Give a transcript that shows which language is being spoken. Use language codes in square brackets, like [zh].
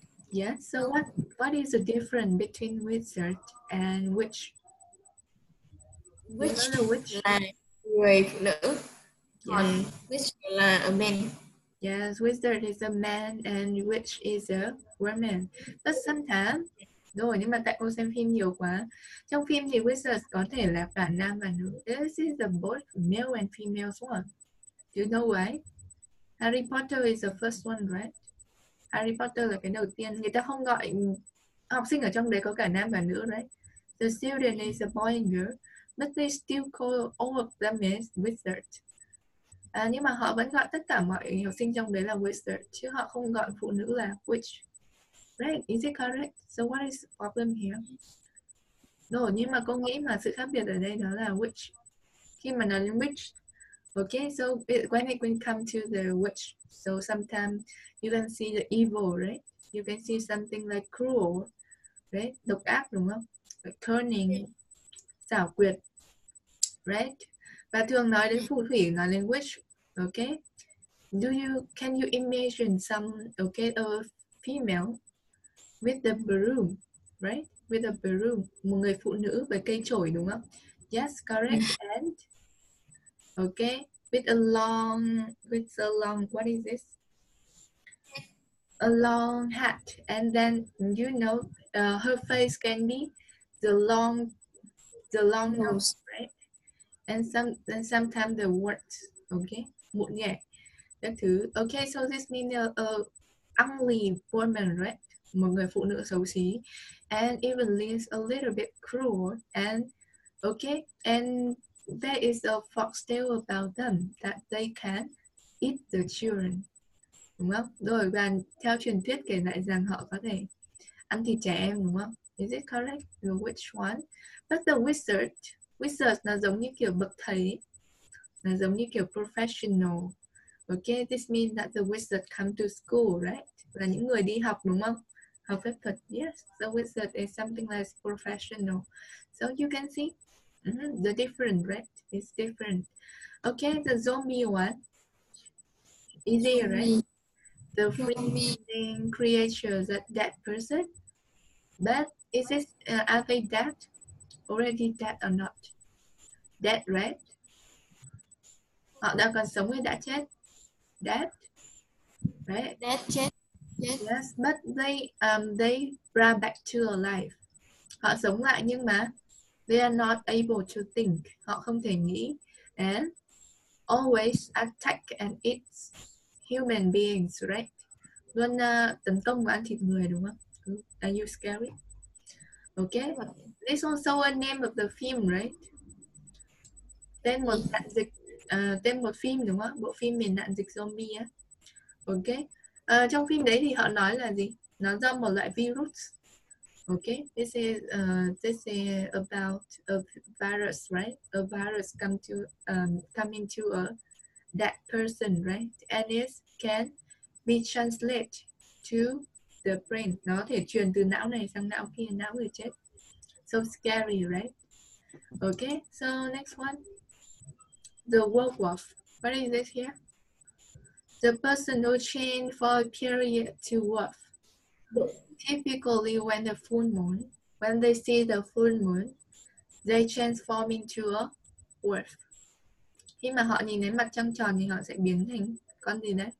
[en] Yes, so what is the difference between wizard and witch? [vi] Witch, witch? Là người phụ nữ, yes. Còn witch là [en] a man. Yes, wizard is a man and witch is a woman. But sometimes, [vi] rồi nhưng mà tại cô xem phim nhiều quá. Trong phim thì wizard có thể là cả nam và nữ. [en] This is a both male and female one. Do you know why? Harry Potter is the first one, right? [vi] Harry Potter là cái đầu tiên. Người ta không gọi học sinh ở trong đấy có cả nam và nữ, right? [en] The student is a boy and girl, but they still call all of them as wizard. [vi] Nhưng mà họ vẫn gọi tất cả mọi học sinh trong đấy là wizard, chứ họ không gọi phụ nữ là witch. [en] Right? Is it correct? So what is problem here? No, [vi] nhưng mà cô nghĩ mà sự khác biệt ở đây đó là witch. Khi mà nói đến [en] witch, okay, so when it will come to the witch, so sometimes you can see the evil, right? You can see something like cruel, right? [vi] Độc ác, đúng không? [en] Like cunning, [vi] xảo quyệt, [en] right? [vi] Và thường nói đến phù thủy, nói đến witch, okay? [en] Do you, can you imagine some, okay, a female with the broom, right? With a broom, [vi] một người phụ nữ với cây chổi đúng không? [en] Yes, correct. And okay, with a long what is this? A long hat. And then you know, her face can be the long nose, right? And sometimes the words, okay? [vi] Mụn nhẹ. Các thứ. [en] Okay, so this means a ugly woman, right? [vi] Một người phụ nữ xấu xí. [en] And it means a little bit cruel. And okay, and there is a fox tale about them that they can eat the children. [vi] Đúng không? Rồi, và theo truyền thuyết kể lại rằng họ có thể ăn thịt trẻ em, đúng không? [en] Is it correct? Which one? But the wizard [vi] nó giống như kiểu bậc thầy, nó giống như kiểu professional. [en] Okay, this means that the wizard come to school, right? [vi] Là những người đi học, đúng không? Học phép thuật. [en] Yes, the wizard is something like professional. So you can see the different, right? It's different. Okay, the zombie one. Easy, right? The freezing creature, that person. But is it, are they dead? Already dead or not? Dead, right? [vi] Họ đã còn sống hay đã chết? [en] Dead, right? Dead, chết. Yes, but they brought back to alive. [vi] Họ sống lại nhưng mà [en] they are not able to think. [vi] Họ không thể nghĩ. [en] And always attack and eat human beings, right? [vi] Luôn tấn công và ăn thịt người, đúng không? [en] Are you scary? Okay, this also a name of the film, right? [vi] Tên một phim, đúng không? Bộ phim miền nạn dịch zombie á. Okay, trong phim đấy thì họ nói là gì? Nó do một loại virus. [en] Okay, this is about a virus, right? A virus coming to a dead person, right? And it can be translated to the brain. [vi] Nó có thể truyền từ não này sang não kia, não người chết. [en] So scary, right? Okay, so next one. The werewolf. What is this here? The person who changed for a period to wolf. Typically, when they see the full moon, they transform into a wolf. [vi] Khi mà họ nhìn thấy mặt trăng tròn thì họ sẽ biến thành con gì đấy?